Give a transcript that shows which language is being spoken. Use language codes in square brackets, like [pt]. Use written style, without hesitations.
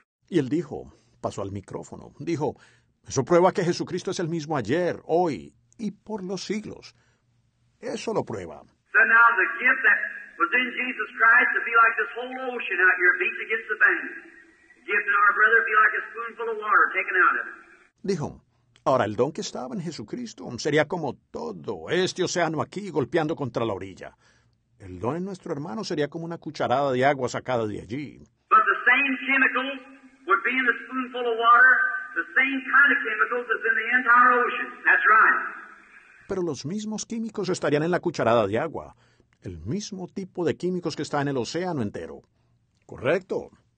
[es] Y él dijo, pasó al micrófono, dijo, eso prueba que Jesucristo es el mismo ayer, hoy y por los siglos. Eso lo prueba. [en] So now the gift that was in Jesus Christ would be like this whole ocean out here beats against the bank. The gift in our brother would be like a spoonful of water taken out of it. [es] Dijo, ahora el don que estaba en Jesucristo sería como todo este océano aquí golpeando contra la orilla. El don en nuestro hermano sería como una cucharada de agua sacada de allí. [en] But the same chemicals would be in the spoonful of water, the same kind of chemicals as in the entire ocean. That's right. [es] Pero los mismos químicos estarían en la cucharada de agua. El mismo tipo de químicos que está en el océano entero. ¿Correcto?